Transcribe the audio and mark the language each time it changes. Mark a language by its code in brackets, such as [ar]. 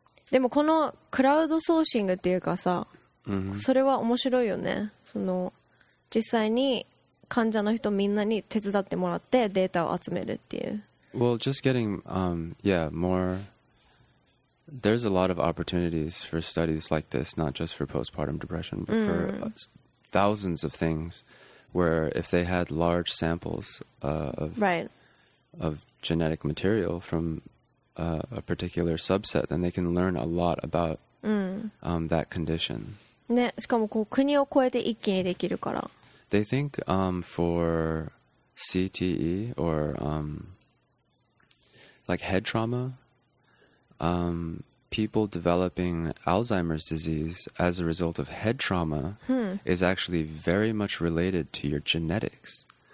[ja] でもこのクラウドソーシングっていうかさ、それは面白いよね。その実際に患者の人みんなに手伝ってもらってデータを集めるっていう。 [en] Well, just getting more. There's a lot of opportunities for studies like this, not just for postpartum depression, but for thousands of things, where if they had large samples of genetic material from a particular subset, then they can learn a lot about that condition. [ja] ね、しかもこう国を越えて一気にできるから。 [en] They think for CTE or like head trauma, people developing Alzheimer's disease as a result of head trauma is actually very much related to your genetics.